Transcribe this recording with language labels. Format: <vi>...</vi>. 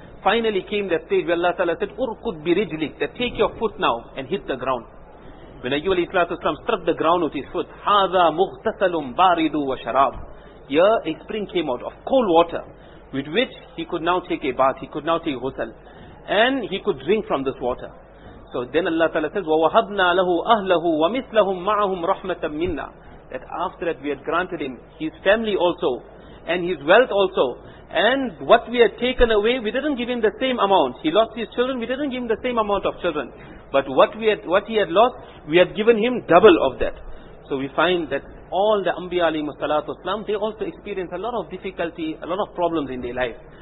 <en>Finally came that stage where Allah Ta'ala said,</en> <ar>Urkud birijlik,</ar> <en>that take your foot now and hit the ground. When Ayyub al-Islam struck the ground with his foot,</en> <ar>Hada mughtasalum baridu wa sharab.</ar> <en>Here a spring came out of cold water with which he could now take a bath, he could now take ghusl, and he could drink from this water.</en> <ar>So then Allah Ta'ala says, وَوَهَبْنَا لَهُ أَهْلَهُ وَمِثْلَهُمْ مَعَهُمْ رَحْمَةً مِنَّا.</ar> <en>That after that we had granted him his family also and his wealth also, and what we had taken away, we didn't give him the same amount. He lost his children, we didn't give him the same amount of children, but what he had lost, we had given him double of that. So we find that all the Anbiya alayhimus salatu wasalam, they also experience a lot of difficulty, a lot of problems in their life.</en>